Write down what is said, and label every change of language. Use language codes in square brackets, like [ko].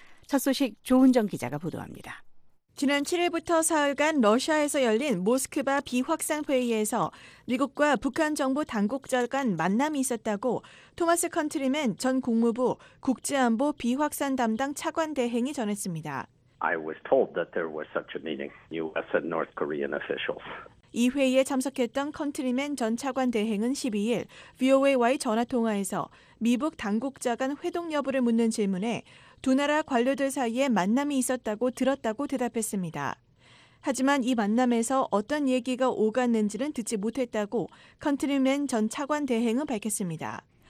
[ko] 첫 소식 조은정 기자가 보도합니다. 지난 7일부터 사흘간 러시아에서 열린 모스크바 비확산 회의에서 미국과 북한 정부 당국자 간 만남이 있었다고 토마스 컨트리맨 전 국무부 국제안보 비확산 담당 차관 대행이 전했습니다. [en] I was told that there was such a meeting, U.S. and North Korean officials. [ko] 이 회의에 참석했던 컨트리맨 전 차관 대행은 12일 VOA와의 전화통화에서 미북 당국자 간 회동 여부를 묻는 질문에 두 나라 관료들 사이에 만남이 있었다고 들었다고 대답했습니다. 하지만 이 만남에서 어떤 얘기가 오갔는지는 듣지 못했다고 컨트리맨 전 차관 대행은 밝혔습니다.